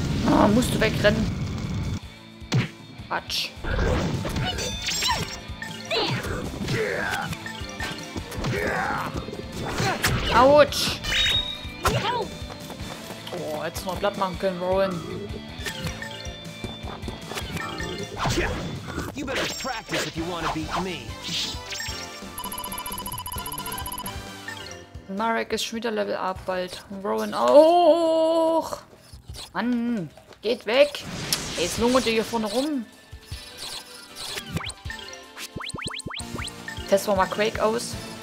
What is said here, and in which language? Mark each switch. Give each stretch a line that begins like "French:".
German: Oh, musst du wegrennen. Quatsch. Autsch! Oh, jetzt noch platt machen können, Rowan.
English: You better practice if you want to beat me.
German: Marek ist schon wieder Level up bald. Rowan auch. Mann, geht weg. Hey, jetzt lungert ihr hier vorne rum. Testen wir mal Quake aus.